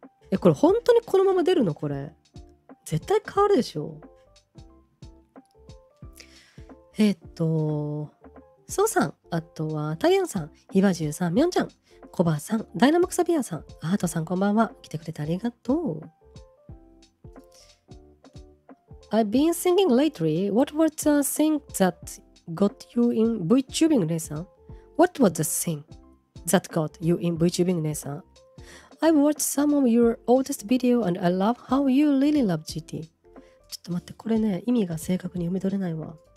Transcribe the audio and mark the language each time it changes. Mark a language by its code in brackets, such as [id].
[ja] え、これ本当にこのまま出るの？これ絶対変わるでしょ。ソウさん、あとはタイヤンさん、ヒバジュウさん、ミョンちゃん、コバさん、ダイナモクサビアさん、アートさん、こんばんは。来てくれてありがとう。 [en] I've been singing lately. What was the thing that got you in VTubing, 姉さん? What was the thing that got you in VTubing, 姉さん? I've watched some of your oldest video and I love how you really love GT. [ja] ちょっと待って、これね、意味が正確に読み取れないわ。